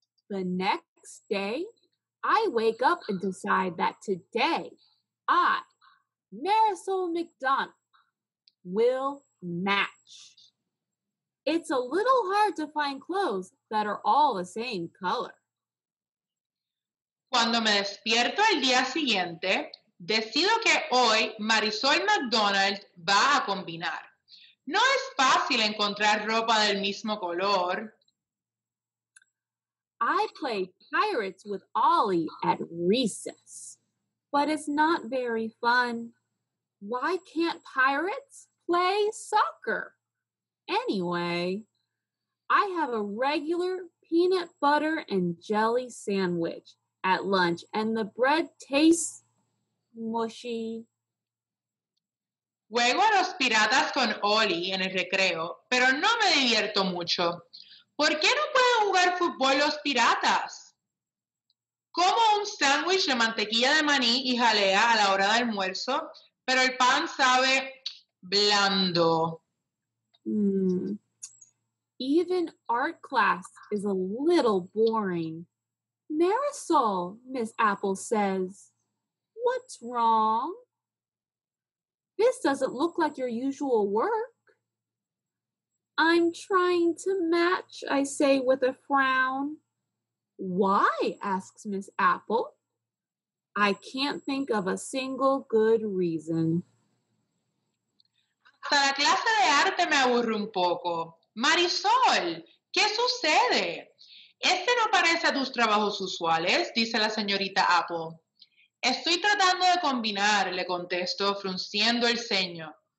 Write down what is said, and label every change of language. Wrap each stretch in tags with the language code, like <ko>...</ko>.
<en>The next day, I wake up and decide that today, I, Marisol McDonald, will match. It's a little hard to find clothes that are all the same color.</en> <es>Cuando me despierto el día siguiente, decido que hoy Marisol McDonald va a combinar. No es fácil encontrar ropa del mismo color.</es> <en>I play pirates with Ollie at recess, but it's not very fun. Why can't pirates play soccer? Anyway, I have a regular peanut butter and jelly sandwich at lunch, and the bread tastes mushy.</en> <es>Juego a los piratas con Ollie en el recreo, pero no me divierto mucho. ¿Por qué no pueden jugar fútbol los piratas? Como un sándwich de mantequilla de maní y jalea a la hora de almuerzo, pero el pan sabe blando.</es> <en>Even art class is a little boring. Marisol, Miss Apple says, what's wrong? This doesn't look like your usual work. I'm trying to match, I say with a frown. Why? Asks Miss Apple. I can't think of a single good reason.</en> <es>Hasta la clase de arte me aburre un poco. Marisol, ¿qué sucede? Este no parece a tus trabajos usuales, dice la señorita Apple. Estoy tratando de combinar, le contesto, frunciendo el ceño.</es>